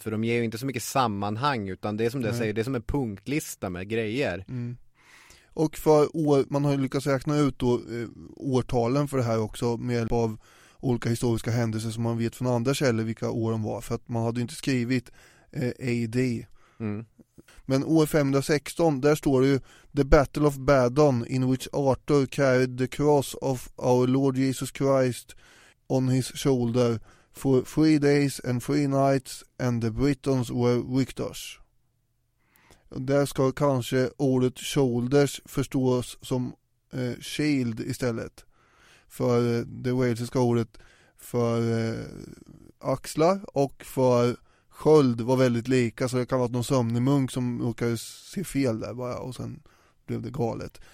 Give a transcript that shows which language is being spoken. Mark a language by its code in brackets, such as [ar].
[sv] För de ger ju inte så mycket sammanhang. Utan det som det säger, det är som en punktlista med grejer. Mm. Och för år, man har ju lyckats räkna ut då, årtalen för det här också med hjälp av olika historiska händelser som man vet från andra källor vilka år de var. För att man hade ju inte skrivit AD. Mm. Men år 516, där står det ju [en] The Battle of Badon in which Arthur carried the cross of our Lord Jesus Christ on his shoulder for 3 days and 3 nights and the Britons were victors. [sv] Där ska kanske ordet shoulders förstås som shield istället. För det walesiska ordet för axlar och för sköld var väldigt lika. Så det kan vara någon sömnig munk som råkade se fel där bara, och sen blev det galet.